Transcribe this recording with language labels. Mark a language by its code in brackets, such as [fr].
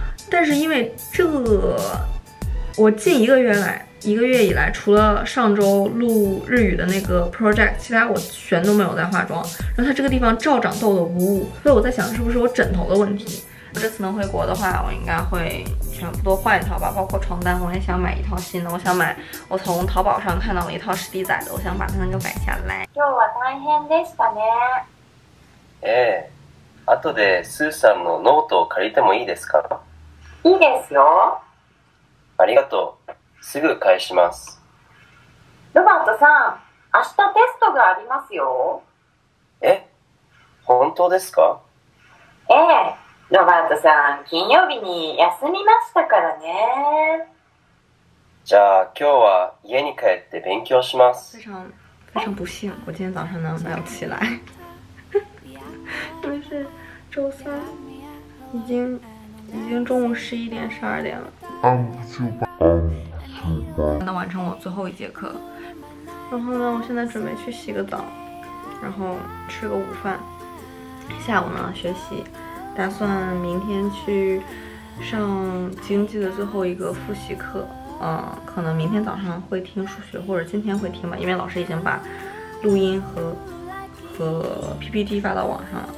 [zh] 但是因为这我近一个月以来，除了上周录日语的那个 project， 其他我全都没有在化妆。然后它这个地方照长痘痘无误，所以我在想是不是我枕头的问题。我这次能回国的话，我应该会全部都换一套吧，包括床单，我也想买一套新的。我从淘宝上看到了一套史迪仔的，我想把它能够买下来。 [ja] 今日は大変でしたね。ええ、あとでスーさんのノートを借りてもいいですか？いいですよ。ありがとう。すぐ返します。ロバートさん、明日テストがありますよ。え、本当ですか？ええ、ロバートさん、金曜日に休みましたからね。じゃあ、今日は家に帰って勉強します。 [zh] 非常、非常不幸、我今天早上呢、没有起来。因为是周三、已经中午11点、12点了。能完成我最后一节课，然后呢，我现在准备去洗个澡，然后吃个午饭，下午呢学习，打算明天去上经济的最后一个复习课，可能明天早上会听数学，或者今天会听吧，因为老师已经把录音和 PPT 发到网上了。